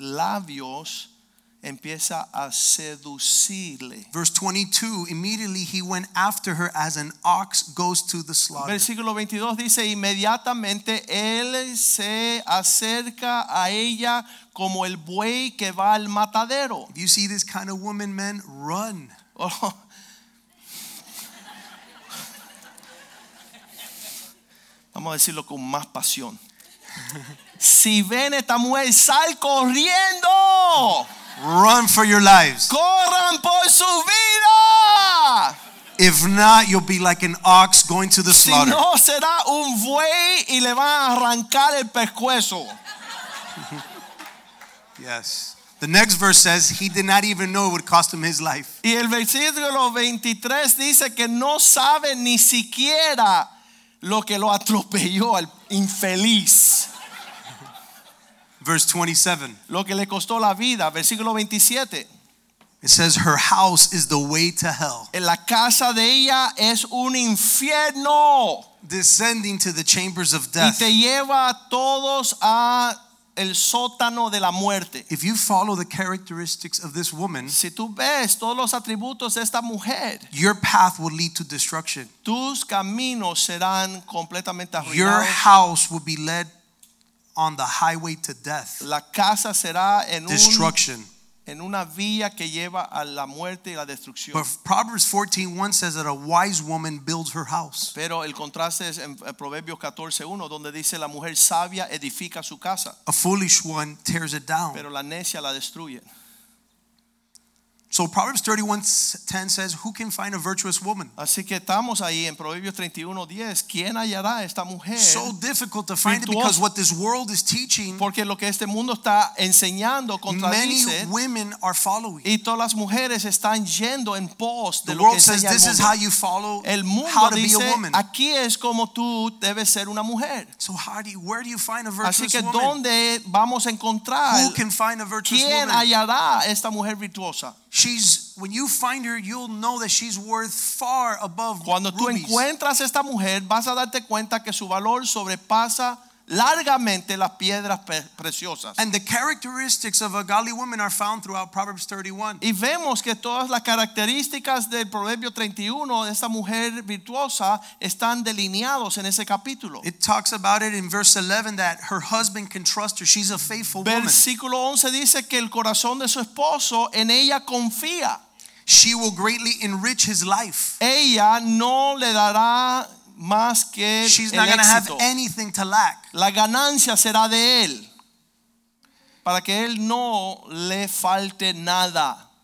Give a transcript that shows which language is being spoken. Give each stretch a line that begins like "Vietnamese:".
Spanish: Labios empieza a seducirle.
English: Verse 22, immediately he went after her as an ox goes to the slaughter.
Spanish: Versículo 22 dice, inmediatamente él se acerca a ella como el buey que va al matadero.
English: If you see this kind of woman, men, run.
Spanish: Vamos a decirlo con más pasión. Si ven esta mujer, sal corriendo.
English: Run for your lives.
Spanish: Corran por su vida.
English: If not, you'll be like an ox going to the slaughter.
Spanish: Si no, será un buey y le van a arrancar el pescuezo.
English: Yes. The next verse says he did not even know it would cost him his life.
Spanish: Y el versículo 23 dice que no sabe ni siquiera lo que lo atropelló al infeliz.
English: Verse 27.
Spanish: Lo que le costó la vida, versículo 27.
English: It says her house is the way to hell.
Spanish: En la casa de ella es un infierno.
English: Descending to the chambers of death.
Spanish: Y te lleva a todos a el sótano de la muerte.
English: If you follow the characteristics of this woman,
Spanish: si tú ves todos los atributos de esta mujer,
English: your path will lead to destruction.
Spanish: Tus caminos serán completamente arruinados.
English: Your house will be led on the highway to death.
Spanish: La casa será en
English: destruction.
Spanish: En una vía que lleva a la muerte y la destrucción.
English: But Proverbs 14:1 says that a wise woman builds her house.
Spanish: Pero el contraste es en Proverbios 14:1 donde dice la mujer sabia edifica su casa.
English: A foolish one tears it down.
Spanish: Pero la necia la destruye.
English: So Proverbs 31:10 says, "Who can find a virtuous woman?"
Spanish: Así que estamos ahí en Proverbios 31:10. ¿Quién hallará esta mujer?
English: So difficult to find it because what this world is teaching.
Spanish: Porque lo que este mundo está enseñando contradice.
English: Many women are following.
Spanish: Y todas las mujeres están yendo en pos de lo que enseña el mundo.
English: The world says this is how you follow.
Spanish: El mundo
English: how to
Spanish: dice,
English: be a woman.
Spanish: Aquí es como tú debes ser una mujer.
English: So how do you, where do you find a virtuous woman?
Spanish: Así que dónde vamos a encontrar.
English: Who can find a virtuous
Spanish: ¿quién ¿Quién hallará esta mujer virtuosa?
English: She's when you find her, you'll know that she's worth far above
Spanish: cuando
English: rubies.
Spanish: Cuando tú encuentras esta mujer, vas a darte cuenta que su valor sobrepasa largamente las piedras preciosas.
English: And the characteristics of a godly woman are found throughout Proverbs 31.
Spanish: Y vemos que todas las características del Proverbio 31 de esta mujer virtuosa están delineados en ese capítulo.
English: It talks about it in verse 11 that her husband can trust her. She's a faithful woman.
Spanish: Versículo 11 dice que el corazón de su esposo en ella confía.
English: She will greatly enrich his life.
Spanish: Ella no le dará más que
English: she's not going to have anything to lack.
Spanish: La ganancia será de él para que él no le falte nada.